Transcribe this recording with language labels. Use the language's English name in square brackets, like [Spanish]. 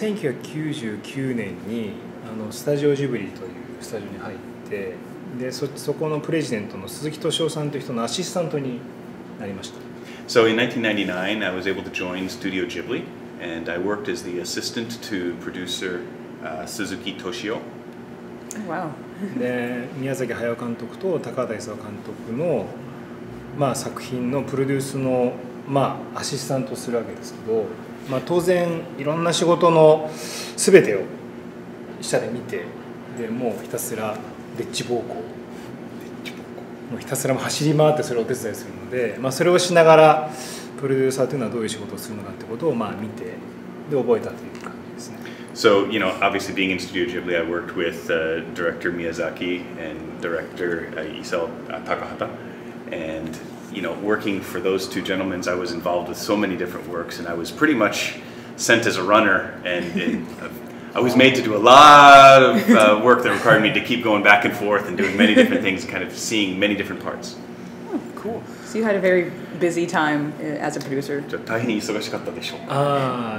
[Japanese] 1999年にスタジオジブリというスタジオに入って、で そこのプレジデントの鈴木敏夫さんという人のアシスタントになりました。 [English] So in 1999 I was able to join Studio Ghibli and I worked as the assistant to producer Suzuki Toshio. Wow. [Japanese] で宮崎駿監督と高畑勲監督の、まあ、作品のプロデュースの、まあ、アシスタントをするわけですけど、まあ、当然いろんな仕事の全てを下で見て、でもうひたすらデッチ暴行、もうひたすら走り回ってそれをお手伝いするので、まあ、それをしながらプロデューサーというのはどういう仕事をするのかということをまあ見て、で覚えたという感じですね。 [English] So, you know, obviously being in Studio Ghibli, I worked with director Miyazaki and director Isao Takahata. And, you know, working for those two gentlemen, I was involved with so many different works and I was pretty much sent as a runner and I was made to do a lot of work that required me to keep going back and forth and doing many different things, kind of seeing many different parts. Oh, cool. So you had a very busy time as a producer. [Japanese] 大変忙しかったでしょうか。